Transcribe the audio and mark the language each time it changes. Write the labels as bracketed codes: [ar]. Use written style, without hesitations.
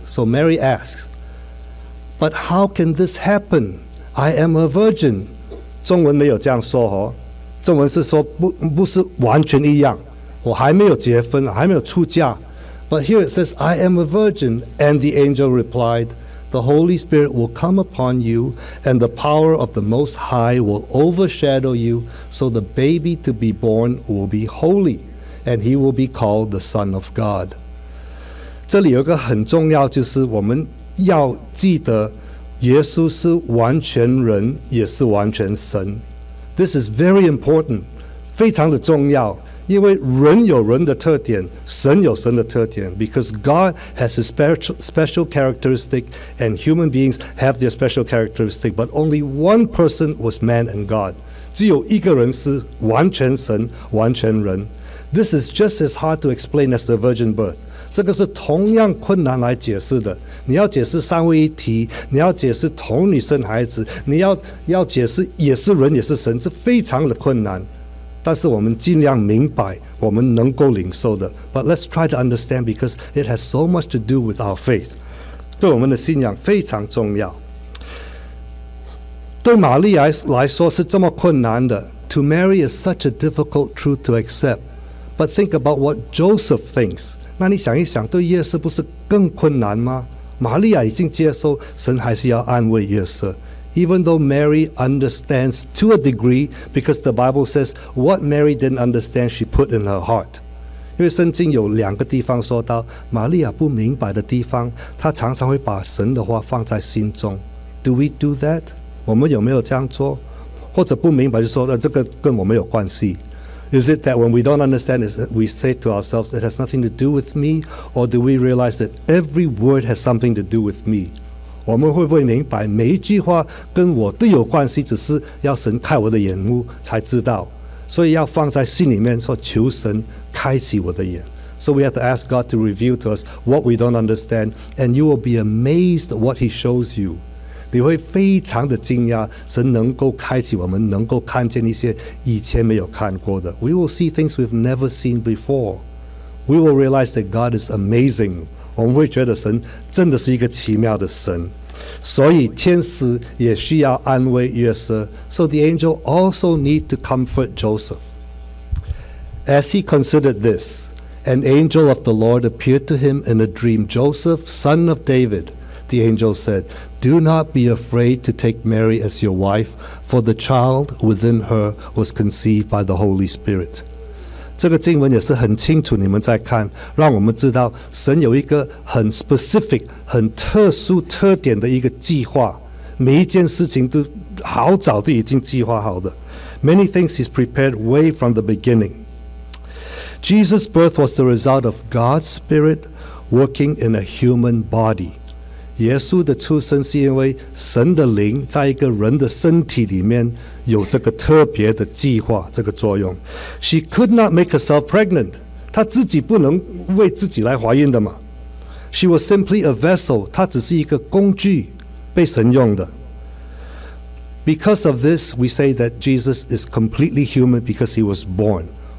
[en] So Mary asks, But how can this happen? I am a virgin. [zh] 中文没有这样说哦。中文是说 不是完全一样，我还没有结婚，还没有出嫁。 [en] But here it says, I am a virgin. And the angel replied, The Holy Spirit will come upon you, and the power of the Most High will overshadow you, so the baby to be born will be holy, and he will be called the Son of God. [zh] 这里有一个很重要，就是我们要记得耶稣是完全人，也是完全神。 [en] This is very important, [zh] 非常的重要，因为人有人的特点，神有神的特点。 [en] Because God has a special characteristic, and human beings have their special characteristic, but only one person was man and God. [zh] 只有一个人是完全神，完全人。 [en] This is just as hard to explain as the virgin birth. [zh] 这个是同样困难来解释的。你要解释三位一体，你要解释童女生孩子，你 要解释也是人也是神，这非常的困难。但是我们尽量明白我们能够领受的。 [en] But let's try to understand because it has so much to do with our faith. [zh] 对我们的信仰非常重要。对玛利亚来说是这么困难的。 [en] To Mary is such a difficult truth to accept. But think about what Joseph thinks. [zh] 那你想一想，对约瑟不是更困难吗？玛利亚已经接受，神还是要安慰约瑟。 [en] Even though Mary understands to a degree, because the Bible says what Mary didn't understand, she put in her heart. [zh] 因为圣经有两个地方说到玛利亚不明白的地方，她常常会把神的话放在心中。 [en] Do we do that? [zh] 我们有没有这样做？或者不明白就说那这个跟我没有关系。 [en] Is it that when we don't understand, we say to ourselves, it has nothing to do with me? Or do we realize that every word has something to do with me? [zh] 我们会不会明白每一句话跟我都有关系，只是要神开我的眼目才知道。所以要放在心里面说求神开启我的眼。 [en] So we have to ask God to reveal to us what we don't understand, and you will be amazed at what he shows you. [zh] 你会非常的惊讶，神能够开启我们，能够看见一些以前没有看过的。 [en] We will see things we've never seen before. We will realize that God is amazing. [zh] 我们会觉得神真的是一个奇妙的神。所以天使也需要安慰约瑟。 [en] So the angel also need to comfort Joseph. As he considered this, an angel of the Lord appeared to him in a dream. Joseph, son of David. The angel said, Do not be afraid to take Mary as your wife, for the child within her was conceived by the Holy Spirit. [zh] 这个经文也是很清楚，你们在看，让我们知道神有一个很 specific, 很特殊特点的一个计划。每一件事情都好早都已经计划好的。 [en] many things he's prepared way from the beginning. Jesus' birth was the result of God's Spirit working in a human body. [zh] 耶稣的出生是因为神的灵在一个人的身体里面有这个特别的计划，这个作用。 [en] She could not make herself pregnant. [zh] 她自己不能为自己来怀孕的嘛。 [en] She was simply a vessel. [zh] 她只是一个工具被神用的。 [en] Because of this, we say that Jesus is completely human because he was born.